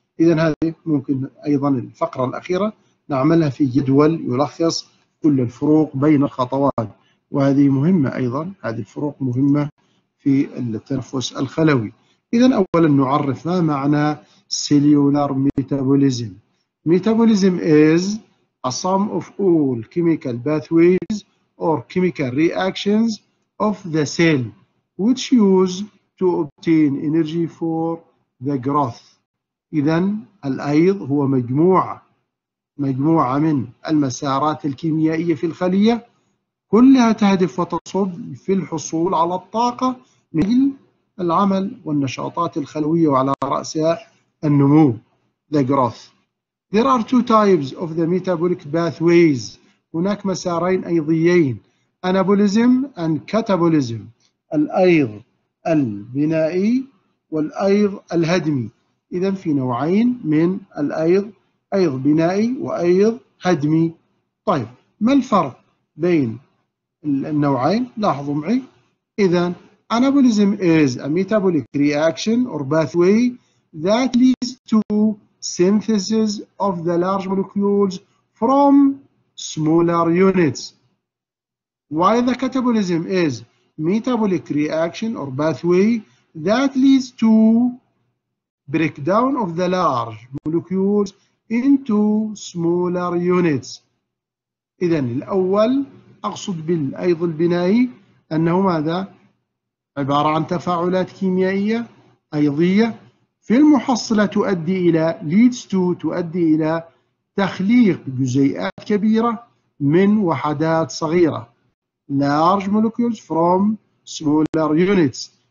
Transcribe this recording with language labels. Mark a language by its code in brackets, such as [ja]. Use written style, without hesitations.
[ar] إذن هذه ممكن أيضا الفقرة الأخيرة نعملها في جدول يلخص كل الفروق بين الخطوات، وهذه مهمة أيضا، هذه الفروق مهمة في التنفس الخلوي. إذا أولا نعرف ما معنى cellular metabolism. [en] Metabolism is a sum of all chemical pathways or chemical reactions of the cell which use to obtain energy for the growth. [ar] إذا الأيض هو مجموعة من المسارات الكيميائية في الخلية كلها تهدف وتصب في الحصول على الطاقة من العمل والنشاطات الخلوية وعلى رأسها النمو the growth. [en] There are two types of the metabolic pathways. [ar] هناك مسارين أيضيين anabolism and catabolism، الأيض البنائي والأيض الهدمي. إذا في نوعين من الأيض، أيض بنائي وأيض هدمي. طيب ما الفرق بين النوعين؟ لاحظوا معي. [en] إذا anabolism is a metabolic reaction or pathway that leads to synthesis of the large molecules from smaller units. While the catabolism is metabolic reaction or pathway that leads to breakdown of the large molecules into smaller units. [ar] إذن الأول أقصد بالأيض البنائي أنه ماذا؟ عبارة عن تفاعلات كيميائية أيضية في المحصلة تؤدي إلى leads to، تؤدي إلى تخليق جزيئات كبيرة من وحدات صغيرة large molecules from smaller units.